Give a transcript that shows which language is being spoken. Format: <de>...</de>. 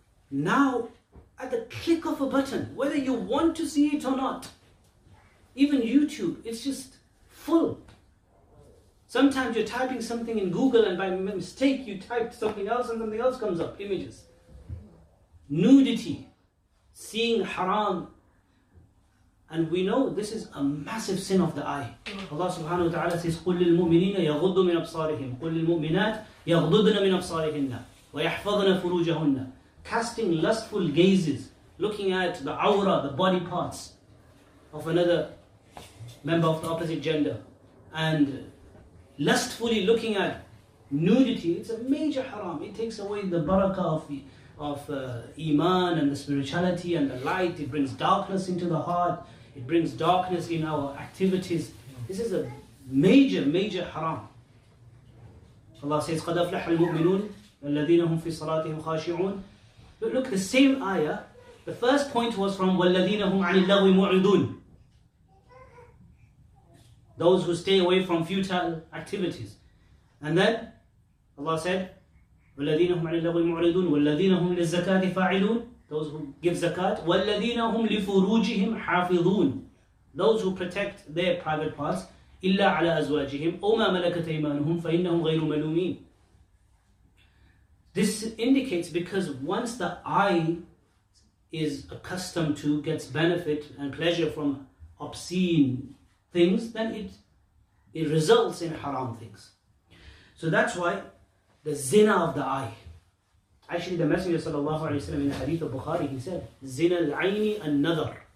<en>Now, at the click of a button, whether you want to see it or not, even YouTube, it's just full. Sometimes you're typing something in Google and by mistake you typed something else and something else comes up, images. Nudity, seeing haram, And we know this is a massive sin of the eye. Allah subhanahu wa ta'ala says,</en> <ar>قُلْ لِلْمُؤْمِنِينَ يَغُضُّ مِنْ أَبْصَارِهِمْ قُلْ لِلْمُؤْمِنَاتِ يَغْضُضْنَ مِنْ أَبْصَارِهِنَّ وَيَحْفَظْنَ فُرُوجَهُنَّ.</ar> <en>Casting lustful gazes, looking at the awrah, the body parts of another member of the opposite gender, and lustfully looking at nudity, it's a major haram. It takes away the barakah of iman and the spirituality and the light. It brings darkness into the heart. It brings darkness in our activities. This is a major, major haram. Allah says,</en> <ar>قَدْ أَفْلَحَ الْمُؤْمِنُونَ الَّذِينَ هُمْ فِي صَلَاتِهِمْ خَاشِعُونَ.</ar> <en>But look, the same ayah, the first point was from</en> <ar>وَالَّذِينَ هُمْ عَنِ اللَّغْوِ مُعْرِضُونَ,</ar> <en>those who stay away from futile activities. And then Allah said,</en> <ar>وَالَّذِينَ هُمْ عَنِ اللَّغْوِ مُعْرِضُونَ وَالَّذِينَ هُمْ لِلزَّكَاةِ فَاعِلُونَ,</ar> <en>those who give zakat,</en> <ar>وَالَّذِينَ هُمْ لِفُرُوجِهِمْ حَافِظُونَ,</ar> <en>those who protect their private parts,</en> <ar>إِلَّا عَلَىٰ أَزْوَاجِهِمْ أَوْ مَا مَلَكَتْ أَيْمَانُهُمْ فَإِنَّهُمْ غَيْرُ مَلُومِينَ.</ar> <en>This indicates because once the eye is accustomed to, gets benefit and pleasure from obscene things, then it results in haram things. So that's why the zina of the eye. Actually, the Messenger sallallahu alayhi wa sallam in the hadith of Bukhari, he said,</en> <ar>zina al-ayni an-nadhar.</ar>